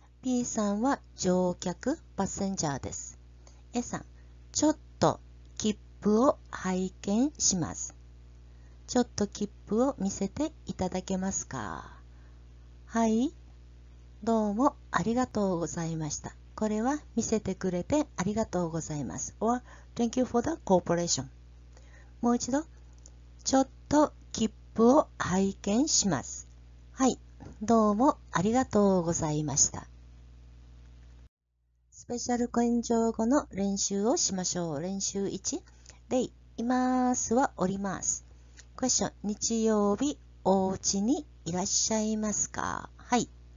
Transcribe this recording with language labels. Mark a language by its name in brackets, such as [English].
[Japanese] B さんは乗客、パッセンジャーです。A さん、ちょっと切符を拝見します。ちょっと切符を見せていただけますか？はい、どうもありがとうございました。これは見せてくれてありがとうございます。 [English] Or, thank you for the cooperation. [Japanese] もう一度、ちょっと切符を拝見します。はい、どうもありがとうございました。スペシャル献上語の練習をしましょう。練習1。で、いますはおります。クエスチョン、日曜日お家にいらっしゃいますか？はい。